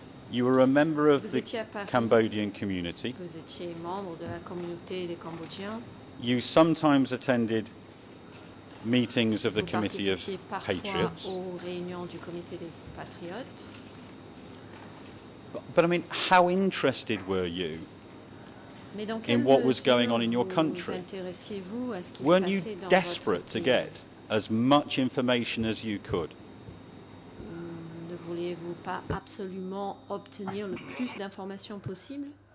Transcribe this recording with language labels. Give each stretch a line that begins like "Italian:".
English: You were a member of the Cambodian community.
French: Vous étiez membre de la communauté des Cambodgiens.
English: You sometimes attended meetings of the Committee of Patriots.
French: Vous participiez parfois aux réunions du Comité des Patriotes.
English: But I mean, how interested were you in what was going on in your country? Weren't you desperate to get as much information as you could?
French: Voulez-vous pas absolument obtenir le plus d'informations possible?